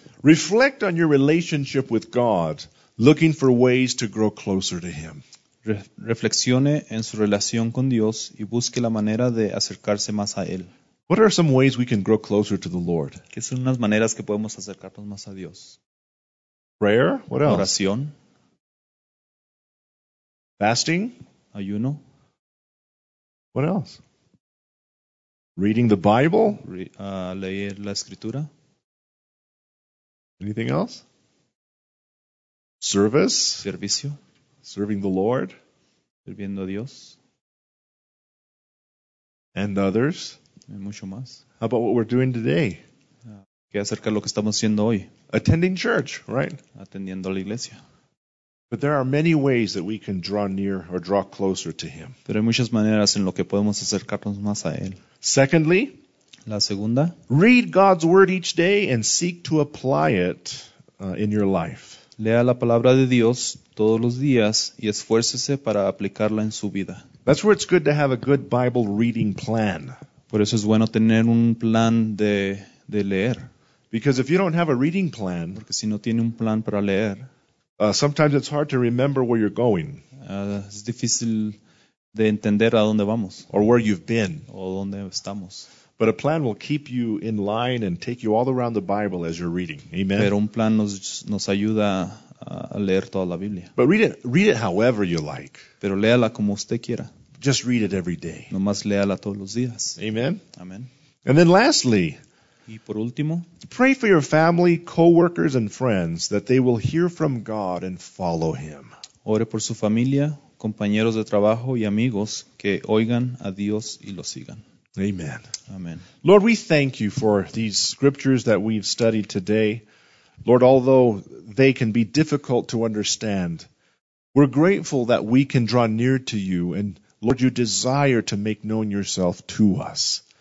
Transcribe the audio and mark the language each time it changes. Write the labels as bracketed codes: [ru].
[en] Reflect on your relationship with God, looking for ways to grow closer to him. [es] Reflexione en su relación con Dios y busque la manera de acercarse más a él. [en] What are some ways we can grow closer to the Lord? [es] ¿Qué son unas maneras que podemos acercarnos más a Dios? [en] Prayer, what else? [es] Oración. [en] Fasting, [es] ayuno. [en] What else? Reading the Bible, [es] leer la escritura. [en] Anything else? Service? [es] Servicio. [en] Serving the Lord? [es] Sirviendo a Dios. [en] And others? [es] Y mucho más. [en] How about what we're doing today? [es] ¿Qué acerca de lo que estamos haciendo hoy? [en] Attending church, right? [es] Atendiendo a la iglesia. [en] But there are many ways that we can draw near or draw closer to him. [es] Pero hay muchas maneras en lo que podemos acercarnos más a él. [en] Secondly, [es] la segunda, [en] read God's word each day and seek to apply it in your life. [es] Lea la palabra de Dios todos los días y esfuércese para aplicarla en su vida. [en] That's where it's good to have a good Bible reading plan. [es] Por eso es bueno tener un plan de leer. [en] Because if you don't have a reading plan, [es] porque si no tiene un plan para leer, [en] sometimes it's hard to remember where you're going. [es] Es difícil de entender a dónde vamos. [en] Or where you've been. [es] O dónde estamos. [en] But a plan will keep you in line and take you all around the Bible as you're reading. Amen. [es] Pero un plan nos ayuda a leer toda la Biblia. [en] But read it however you like. [es] Pero léala como usted quiera. [en] Just read it every day. [es] Nomás léala todos los días. [en] Amen. [es] Amen. [en] And then lastly, [es] y por último, [en] pray for your family, coworkers, and friends that they will hear from God and follow Him. [es] Ore por su familia, compañeros de trabajo y amigos que oigan a Dios y lo sigan. [en] Amen. [es] Amen. [en] Lord, we thank you for these scriptures that we've studied today. Lord, although they can be difficult to understand, we're grateful that we can draw near to you, and Lord, you desire to make known yourself to us.